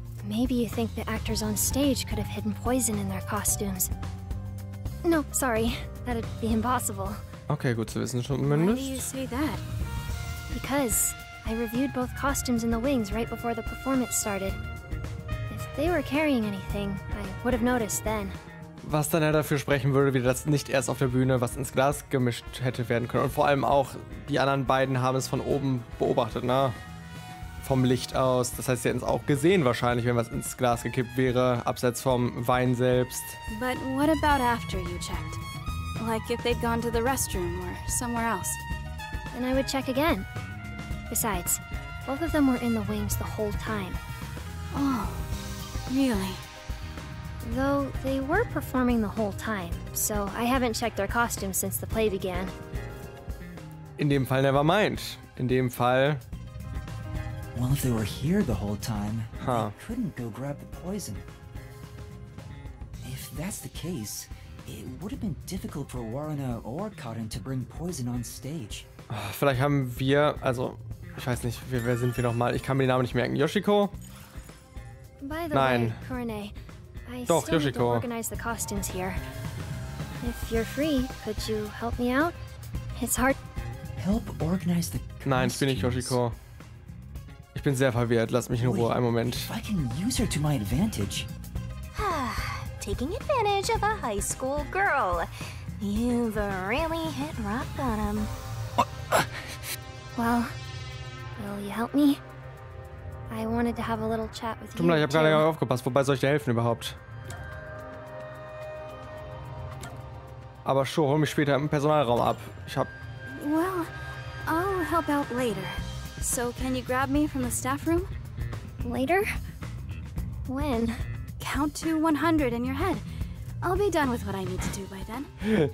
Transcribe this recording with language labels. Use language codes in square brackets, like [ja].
[en] Maybe you think the actors on stage could have hidden poison in their costumes. No, sorry. That'd be impossible. [de] Okay, gut zu wissen, zumindest. [en] Why do you say that? Because I reviewed both costumes in the wings right before the performance started. If they were carrying anything, I would have noticed then. [de] Was dann ja dafür sprechen würde, wie das nicht erst auf der Bühne was ins Glas gemischt hätte werden können. Und vor allem auch, die anderen beiden haben es von oben beobachtet, ne? Vom Licht aus. Das heißt, sie hätten es auch gesehen wahrscheinlich, wenn was ins Glas gekippt wäre, abseits vom Wein selbst. [en] But what about after you checked? Like if they'd gone to the restroom or somewhere else? Then I would check again. Besides, both of them were in the wings the whole time. Oh, really? Though they were performing the whole time, so I haven't checked their costumes since the play began. [de] In dem Fall [en] never mind. [de] In dem Fall. [en] Well, if they were here the whole time, huh. They couldn't go grab the poison. If that's the case, it would have been difficult for Waruna or Karin to bring poison on stage. [de] Vielleicht haben wir, also, ich weiß nicht, wer sind wir nochmal? Ich kann mir den Namen nicht merken. Yoshiko? [en] By the [de] Nein. [en] Way, Kurane. [de] Doch, Yoshiko. [en] Organize the costumes here. If you're free, could you help me out? It's hard. Help organize the costumes. [de] Nein, ich bin nicht Yoshiko. Ich bin sehr verwirrt. Lass mich in Ruhe, einen Moment. [en] I can use her to my advantage. Taking advantage of a high school girl. You've really hit rock bottom. Well, will you help me? I wanted to have a little chat with Tumla, [de] Ich hab gerade aufgepasst. Wobei soll ich dir helfen überhaupt? Aber sure, hol mich später im Personalraum ab. Ich hab. [en] Well, I'll help out later. So can you grab me from the staff room? Later? When? Count to 100 in your head. I'll be done with what I need to do by then.